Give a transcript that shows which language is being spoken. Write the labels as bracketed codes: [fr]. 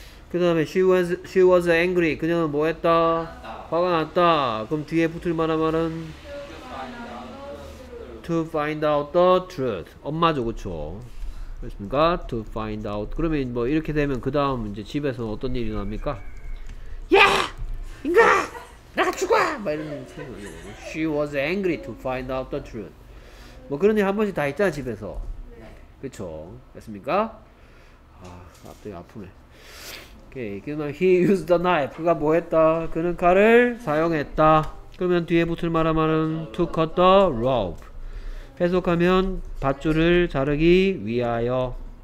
[ko] 그 다음에 [en] she was angry. [ko] 그녀는 뭐 했다? 화가 났다. 그럼 뒤에 붙을 만한 말은? [en] To find out the truth. [ko] 엄마죠, 그쵸? 그렇습니까? [en] To find out. [ko] 그러면 뭐 이렇게 되면 그 다음 이제 집에서 어떤 일이 일어납니까? 야! 인가! 나가 죽어! 막 이런 소리. [en] She was angry to find out the truth. [ko] 뭐 그런 일 한 번씩 다 있잖아, 집에서. 그쵸? 됐습니까? 갑자기 아프네. 오케이. 그러면 [en] he used the knife. [ko] 그가 뭐 했다? 그는 칼을 사용했다. 그러면 뒤에 붙을 말한 말은 [en] to cut the rope. [ko] 해석하면 밧줄을 자르기 위하여.